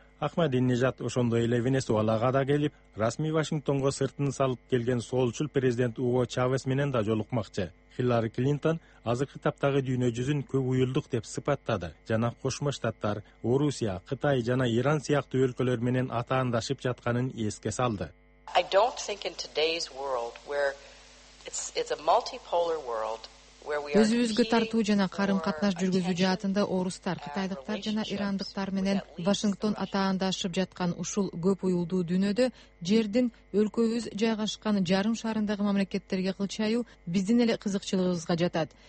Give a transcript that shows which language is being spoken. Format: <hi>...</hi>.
<ky>Ахмадинежад ошондой эле Венесуэлага да келип, расмий Вашингтонго сыртын салып келген солчул президент Уго Чавес менен да жолукмакчы. Хиллари Клинтон азыркы таптагы дүйнө жүзүн көп уюлдук деп сыпаттады жана Кошмо Штаттар, Орусия, Кытай жана Иран сыяктуу өлкөлөр менен атаандашып жатканын эске салды.</ky> <en>I don't think in today's world where it's a multipolar world.</en> <ky>Өзүбүзгө тартуу жана карым катнаш жүргүзүү жаатында орустар, кытайлыктар жана ирандыктар менен Вашингтон атаандашып жаткан ушул көп уюлдуу дүйнөдө жердин өлкөбүз жайгашкан жарым шаарындагы мамлекеттерге кылчаюу биздин эле кызыкчылыгыбызга жатат.</ky>